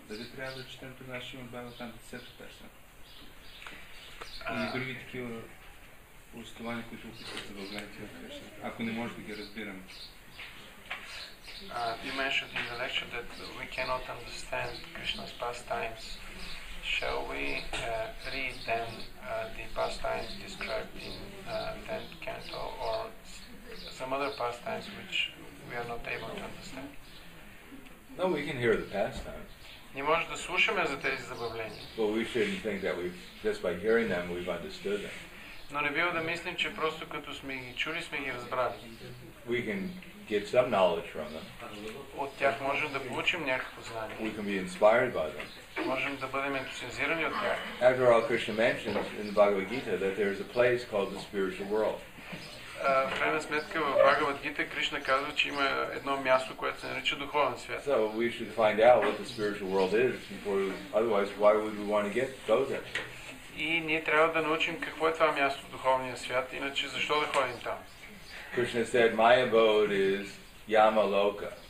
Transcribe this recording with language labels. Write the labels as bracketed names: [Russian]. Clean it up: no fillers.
[Bulgarian] Дали трябва да четем тогава Шримад Бхагаватам 10-та песен? И други такива повествования, които описват забавленията на Кришна, ако не можем да ги разбираме. [English] You mentioned in the lecture that we cannot understand Krishna's pastimes. Shall we read then the pastimes described in the 10th canto or some other pastimes which we are not able to understand? No, we can hear the pastimes. [Bulgarian] Не може да слушаме за тези забавления. [English] But we shouldn't think that just by hearing them we've understood them. [Bulgarian] Но не бива да мислим, че просто като сме ги чули, сме ги разбрали. [English] We can get some knowledge from them. [Bulgarian] От тях можем да получим някакво знание. [English] We can be inspired by them. [Bulgarian] Можем да бъдем ентусиазирани от тях. [English] After all, Krishna mentions in the Bhagavad Gita that there is a place called the spiritual world. [Bulgarian] В крайна сметка в Бхагавад Гита Кришна казва, че има едно място, което се нарича духовен свят. [English] So we should find out what the spiritual world is before, otherwise why would we want to get go there? [Bulgarian] И ние трябва да научим какво е това място в духовния свят, иначе защо да ходим там? [English] Krishna said my abode is Yama Loka.